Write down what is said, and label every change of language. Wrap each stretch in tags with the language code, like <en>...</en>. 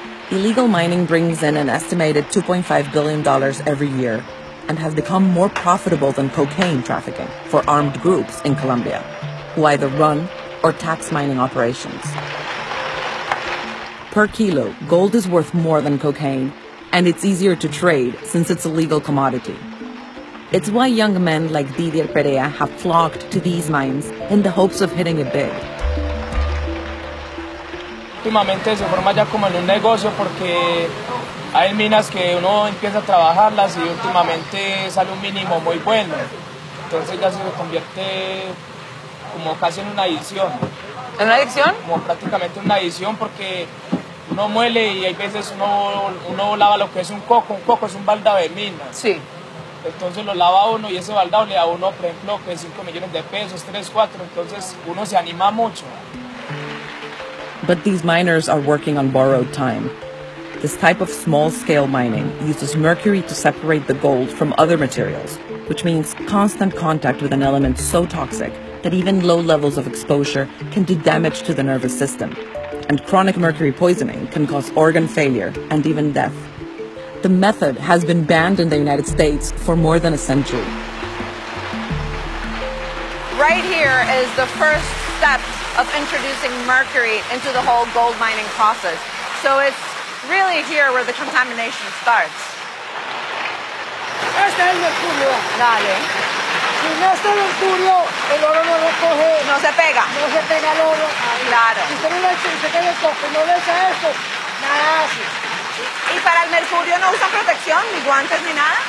<en>Illegal mining brings in an estimated $2.5 billion every year and has become more profitable than cocaine trafficking for armed groups in Colombia, who either run or tax mining operations. Per kilo, gold is worth more than cocaine, and it's easier to trade since it's a legal commodity. It's why young men like Didier Perea have flocked to these mines in the hopes of hitting it big.</en> <es>Últimamente se forma ya como en un negocio porque hay minas que uno empieza a trabajarlas y últimamente sale un mínimo muy bueno. Entonces ya se convierte como casi en una adicción. ¿En una adicción? Como prácticamente una adicción porque uno muele y hay veces uno lava lo que es un coco. Un coco es un baldado de minas. Sí. Entonces lo lava uno y ese baldado le da uno, por ejemplo, que es 5 millones de pesos, 3, 4. Entonces uno se anima mucho.</es> <en>But these miners are working on borrowed time. This type of small-scale mining uses mercury to separate the gold from other materials, which means constant contact with an element so toxic that even low levels of exposure can do damage to the nervous system. And chronic mercury poisoning can cause organ failure and even death. The method has been banned in the United States for more than a century. Right here is the first step of introducing mercury into the whole gold mining process. So it's really here where the contamination starts.</en> <es>Este es el mercurio. Dale. Si no está el mercurio, el oro no lo coge. No se pega. No se pega el oro. Claro. Si usted no le echa y se queda el coche, no le echa esto, nada hace. ¿Y para el mercurio no usa protección, ni guantes, ni nada?</es>